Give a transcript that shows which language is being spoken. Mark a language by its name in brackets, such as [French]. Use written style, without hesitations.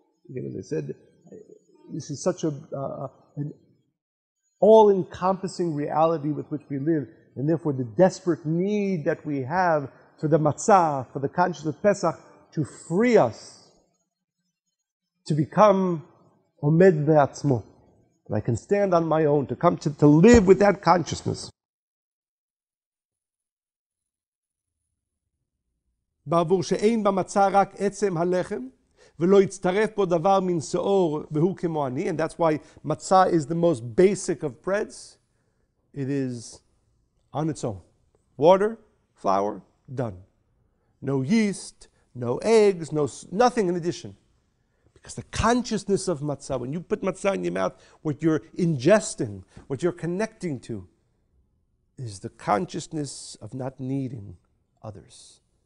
[English] Again, as I said, this is such an all-encompassing reality with which we live, and therefore the desperate need that we have for the matzah, for the consciousness of Pesach, to free us, to become [Hebrew] omed ve'atzmo, [English] that I can stand on my own, to come to live with that consciousness. [Hebrew] בעבור שאין במצא רק עצם הלחם, ולא יצטרף בו דבר מן שאור, והוא כמו אני, [English] and that's why matzah is the most basic of breads. It is on its own. Water, flour, done. No yeast, no eggs, nothing in addition. Because the consciousness of matzah, when you put matzah in your mouth, what you're ingesting, what you're connecting to, is the consciousness of not needing others.